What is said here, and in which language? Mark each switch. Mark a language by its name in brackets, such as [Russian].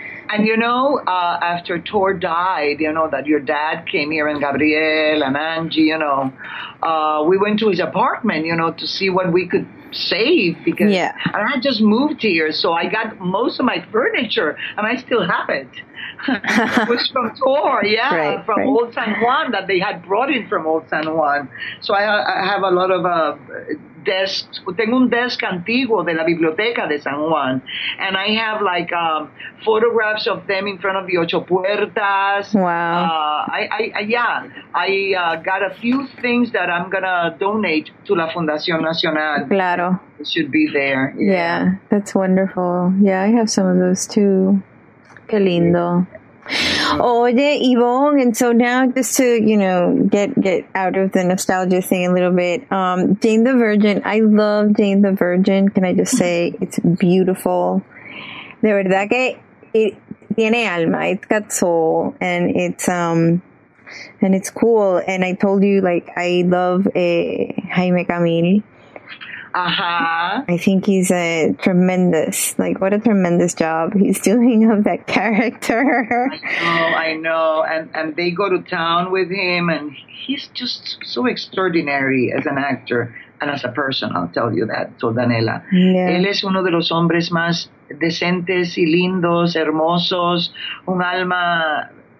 [English] And, you know, after Tor died, you know, that your dad came here and Gabriel and Angie, you know, we went to his apartment, you know, to see what we could save. And I just moved here, so I got most of my furniture, and I still have it. It was from Tor, yeah, right. Old San Juan, that they had brought in from Old San Juan. So I have a lot of desks. [Spanish] Tengo un desk antiguo de la biblioteca de San Juan. [English] And I have, like, photographs of them in front of the Ocho Puertas. Wow. I got a few things that I'm going to donate to La Fundación Nacional. [Spanish] Claro. [English] It should be there. Yeah, that's wonderful. Yeah, I have some of those, too. [Spanish] Qué lindo. Oye, [English] Yvonne, and so now just to, you know, get out of the nostalgia thing a little bit, Jane the Virgin, I love Jane the Virgin. Can I just say, it's beautiful. [Spanish] De verdad que [English] it [Spanish] tiene alma, [English] it's got soul, and it's cool. And I told you, like, I love Jaime Camil. Uh-huh. I think he's a tremendous, like, what a tremendous job he's doing of that character. I know. And they go to town with him, and he's just so extraordinary as an actor and as a person, I'll tell you that, so Daniela. Yeah. [Spanish] Él es uno de los hombres más decentes y lindos, hermosos, un alma.